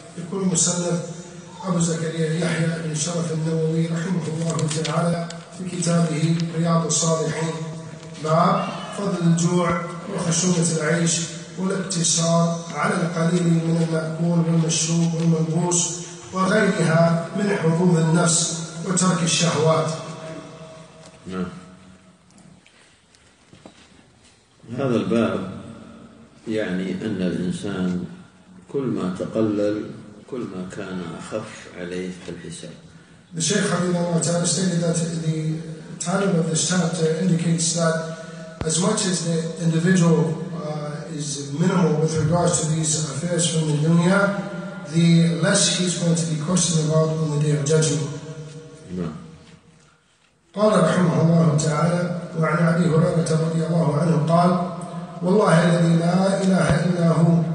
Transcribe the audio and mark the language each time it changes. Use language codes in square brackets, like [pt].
[ar] يقول المصنف أبو زكريا يحيى بن شرف النووي رحمه الله تعالى في كتابه رياض الصالحين: باب فضل الجوع وخشونة العيش والاقتصار على القليل من المأكول والمشروب والملبوس وغيرها من حظوظ النفس وترك الشهوات. هذا الباب يعني أن الإنسان كل ما تقلل كل ما كان أخف عليه الحساب. [en] The Shaykh حفظه الله تعالى stated that the title of this chapter indicates that as much as the individual is minimal with regards to these affairs from the dunya, the less he's going to be questioned about on the day of judgment. [ar] قال رحمه الله تعالى وعن أبي هريرة رضي الله عنه قال: والله الذي لا إله إلا هو